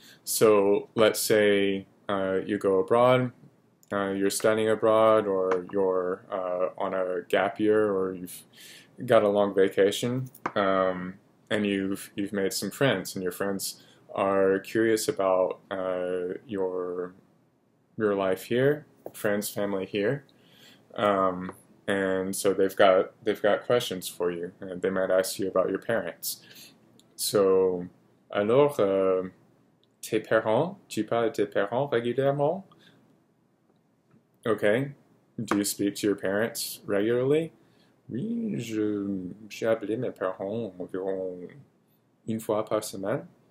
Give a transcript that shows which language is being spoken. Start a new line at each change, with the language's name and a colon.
English: So let's say you go abroad, you're studying abroad, or you're on a gap year, or you've got a long vacation, and you've made some friends, and your friends are curious about your life here, friends, family here, and so they've got questions for you, and they might ask you about your parents.
French: So, alors, tes parents, tu parles tes parents régulièrement?
English: Okay, do you speak to your parents regularly?
French: Oui, j'ai appelé mes parents environ une fois par semaine.